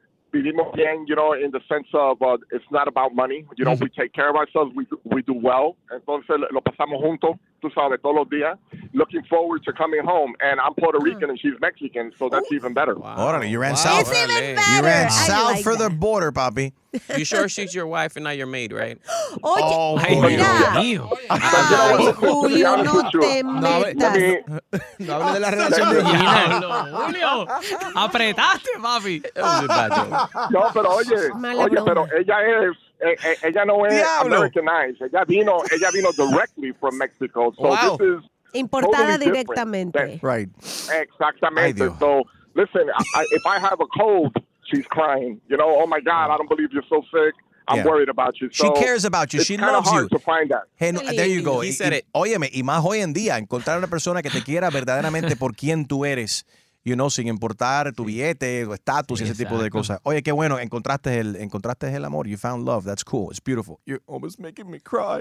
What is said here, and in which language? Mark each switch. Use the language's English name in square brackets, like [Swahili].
[Spanish] Vivimos bien, [English] you know, in the sense of it's not about money. You know, we take care of ourselves. We do well. [Spanish] Entonces lo pasamos juntos, tú sabes, todos los días. [English] Looking forward to coming home. And I'm Puerto Rican and she's Mexican, so that's even better. Wow. Hold on, you ran south. It's even better. You ran south for the border, papi. You sure she's your wife and not your maid, right? [Spanish] Oh, Julio, no te metas. No hables de la relación de Julio, apretaste, papi. No, pero oye, pero ella es... ella no es Americanized. Ella vino [English] directly from Mexico. So wow. This is [Spanish] importada [English] totally [Spanish] directamente. [English] Different. Right. [Spanish] Exactamente. [English] Ay, so, listen, if I have a cold, she's crying. You know, oh my God, I don't believe you're so sick. I'm worried about you. So she cares about you. She loves you. It's kind of hard to find that. Hey, there you go. He said it. [Spanish] Óyeme, y más hoy en día, encontrar una persona que te quiera verdaderamente por quien tú eres. [English] You know, [Spanish] sin importar tu billete, tu estatus, sí, y ese tipo de cosas. Oye, qué bueno, encontraste el amor. [English] You found love. That's cool. It's beautiful. You're almost making me cry.